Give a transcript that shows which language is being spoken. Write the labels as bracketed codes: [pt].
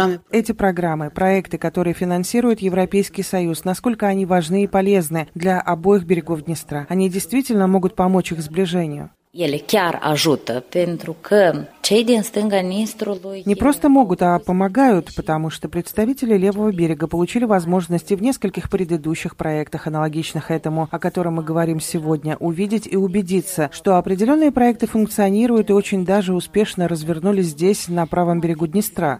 [ru] Эти программы, проекты, которые финансирует Европейский Союз, насколько они важны и полезны для обоих берегов Днестра? Они действительно могут помочь их сближению? [ro] Ele chiar ajută, pentru că cei din stânga Nistrului. [ru] Не просто могут, а помогают, потому что представители левого берега получили возможности в нескольких предыдущих проектах, аналогичных этому, о котором мы говорим сегодня, увидеть и убедиться, что определенные проекты функционируют и очень даже успешно развернулись здесь, на правом берегу Днестра.